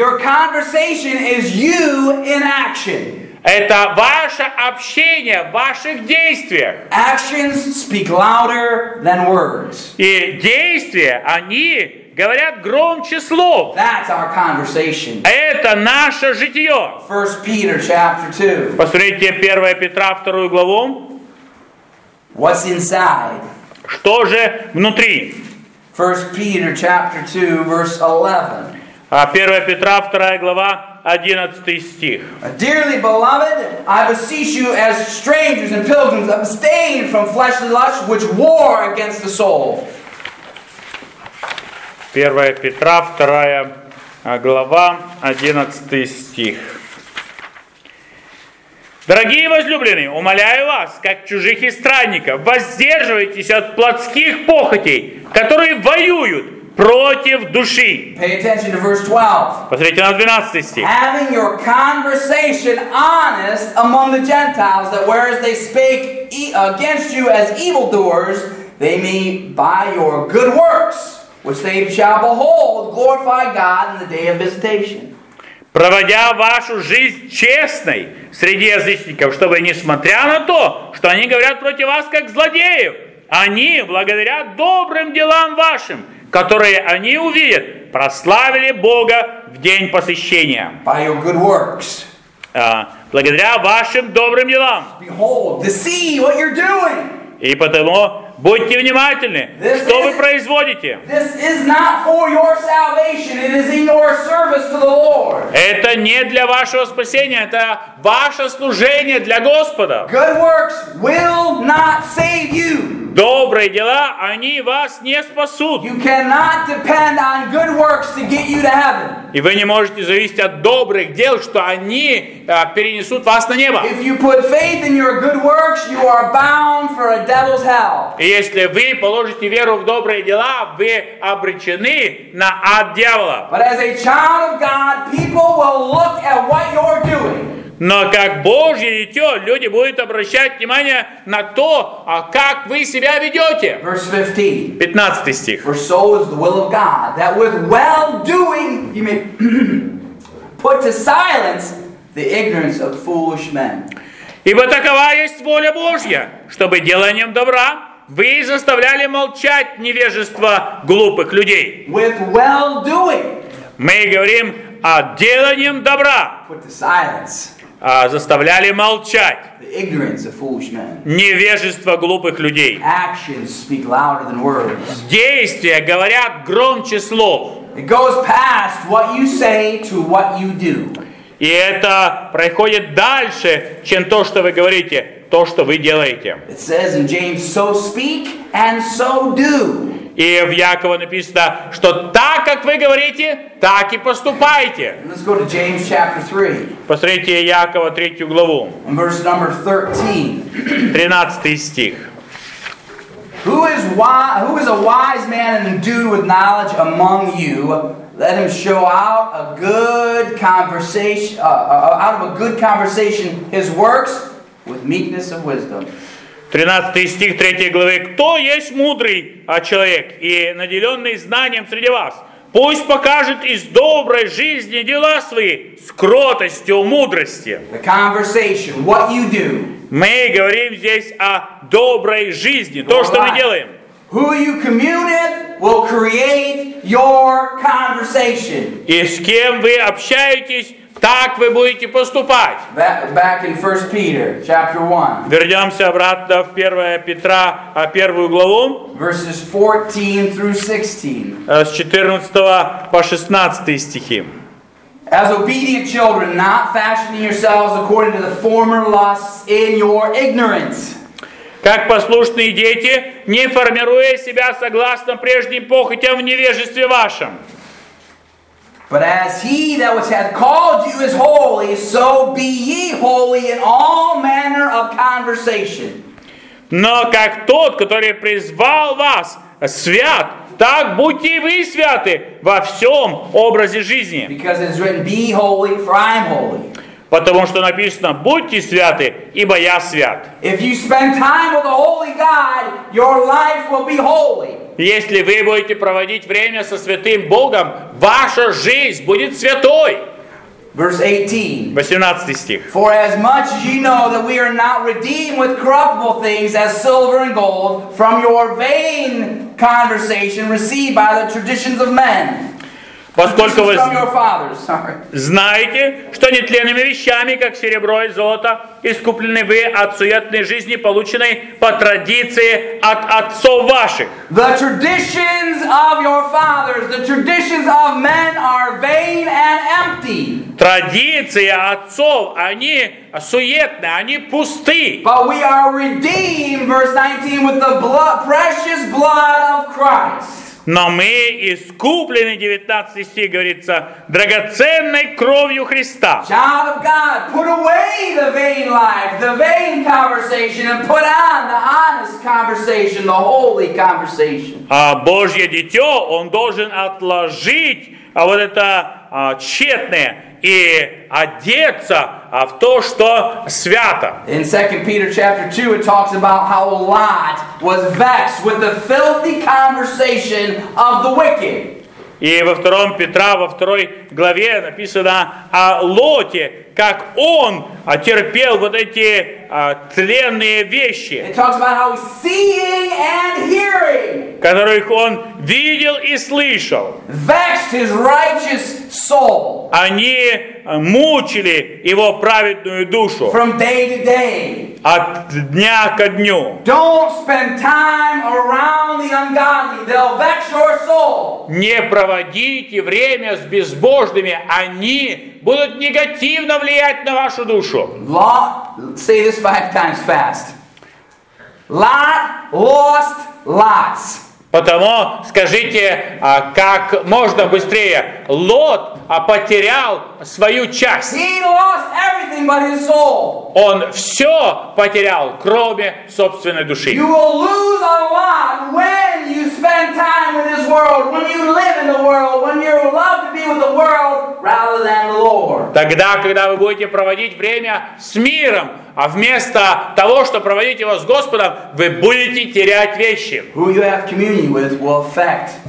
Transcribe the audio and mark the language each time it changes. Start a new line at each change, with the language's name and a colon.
English: Your conversation is you in action.
Russian: Это ваше общение, ваших действий.
English: Actions speak louder than words.
Russian: И действия, они говорят громче слов.
English: That's our conversation.
Russian: Это наше житие.
English: First Peter chapter 2.
Russian: Посмотрите 1 Петра 2 главу.
English: What's inside?
Russian: Что же внутри?
English: First Peter chapter 2 verse 11.
Russian: 1 Петра 2 глава 11 стих.
English: Dearly beloved, I beseech you as strangers and pilgrims, abstain from fleshly lusts which war against the soul.
Russian: 1 Петра, 2 глава, 11 стих. Дорогие возлюбленные, умоляю вас, как чужих и странников, воздерживайтесь от плотских похотей, которые воюют против души.
English: Pay attention to verse 12.
Russian: Посмотрите на 12 стих.
English: Having your conversation honest among the Gentiles, that whereas they speak against you as evildoers, they may by your good works, which they shall behold, glorify God in the day of visitation.
Russian: Проводя вашу жизнь честной среди язычников, чтобы, несмотря на то, что они говорят против вас как злодеев, они, благодаря добрым делам вашим, которые они увидят, прославили Бога в день посвящения.
English: By your good works.
Russian: Благодаря вашим добрым делам.
English: Behold, to see what you're doing.
Russian: И потому будьте внимательны,
English: this
Russian: что
English: is,
Russian: вы производите. Это не для вашего спасения, это ваше служение для Господа.
English: Good works will not save you.
Russian: Добрые дела, они вас не спасут.
English: You cannot depend on good works to get you to heaven.
Russian: И вы не можете зависеть от добрых дел, что они перенесут вас на небо.
English: If you put faith in your good works, you are bound for a devil's hell.
Russian: И если вы положите веру в добрые дела, вы обречены на ад дьявола.
English: But as a child of God, people will look at what you're doing.
Russian: Но как Божье дитё, люди будут обращать внимание на то, а как вы себя ведёте.
English: Verse 15.
Russian: 15 стих.
English: For so is the will of God, that with well-doing you may put to silence the ignorance of foolish men.
Russian: Ибо такова есть воля Божья, чтобы деланием добра вы заставляли молчать невежество глупых людей.
English: With well-doing.
Russian: Мы говорим о деланием добра.
English: Put to silence.
Russian: Заставляли молчать.
English: The ignorance of foolish men.
Russian: Невежество глупых людей.
English: Actions speak louder than words.
Russian: Действия говорят громче слов.
English: It goes past what you say to what you do.
Russian: И это проходит дальше, чем то, что вы говорите, то, что вы делаете.
English: It says in James, so speak and so do.
Russian: И в Якова написано, что так, как вы говорите, так и поступайте.
English: Let's go to James chapter 3.
Russian: Посмотрите Якова 3 главу.
English: Verse number 13.
Russian: 13 стих.
English: Who is a wise man and endued with knowledge among you? Let him show out a good conversation, out of a good conversation his works with meekness of wisdom.
Russian: 13 стих 3 главы. Кто есть мудрый человек и наделенный знанием среди вас? Пусть покажет из доброй жизни дела свои с кротостью, мудростью.
English: The conversation, what you do.
Russian: Мы говорим здесь о доброй жизни, то, что мы делаем.
English: Who you commune with will create your conversation.
Russian: И с кем вы общаетесь, так вы будете поступать.
English: Back in 1 Peter, chapter 1.
Russian: Вернемся обратно в 1 Петра, первую главу.
English: Verses 14 through 16.
Russian: С 14 по 16 стихи.
English: As obedient children, not fashioning yourselves according to the former lusts in your ignorance.
Russian: Как послушные дети, не формируя себя согласно прежним похотям в невежестве вашем.
English: But as he that was hath called you is holy, so be ye holy in all manner of conversation.
Russian: Но как тот, который призвал вас, свят, так будьте и вы святы во всем образе жизни.
English: Because it is written, be holy, for I am holy.
Russian: Потому что написано, будьте святы, ибо я свят.
English: If you spend time with the holy God, your life will be holy.
Russian: Если вы будете проводить время со святым Богом, ваша жизнь будет святой.
English: Verse 18.
Russian: 18 стих.
English: For as much as ye know that we are not redeemed with corruptible things as silver and gold from your vain conversation received by the traditions of men.
Russian: Поскольку вы знаете, что нетленными вещами, как серебро и золото, искуплены вы от суетной жизни, полученной по традиции от отцов ваших.
English: The traditions of your fathers, the traditions of men are vain and empty.
Russian: Традиции отцов, они суетны, они пусты.
English: But we are redeemed, verse 19, with the blood, precious blood of Christ.
Russian: Но мы искуплены, 19 стих говорится, драгоценной кровью Христа.
English: Child of God, put away the vain life, the vain conversation, and put on the honest conversation, the holy conversation.
Russian: А Божье дитё, он должен отложить вот это тщетное и одеться в то, что свято.
English: In 2 Peter chapter 2 it talks about how Lot was vexed with the filthy conversation of the wicked.
Russian: И во 2 Петра, во 2 главе написано о Лоте, как он терпел вот эти тленные вещи,
English: it talks about how seeing and hearing,
Russian: которых он видел и слышал,
English: vexed his righteous soul,
Russian: они мучили его праведную душу
English: from day to day,
Russian: от дня ко дню.
English: Don't spend time around the ungodly, they'll vex your soul.
Russian: Не проводите время с безбожными, они будут негативно влиять на вашу душу.
English: Lot, say this five times fast. Lot lost lots.
Russian: Потому скажите, как можно быстрее. Лот потерял свою часть.
English: He lost everything but his soul.
Russian: Он все потерял, кроме собственной души.
English: You will lose a lot when you spend time with this world, when you live in the world, when you love to be with the world rather than the Lord.
Russian: Тогда, когда вы будете проводить время с миром, а вместо того, что проводить его с Господом, вы будете терять вещи.
English: Who you have communion with will affect.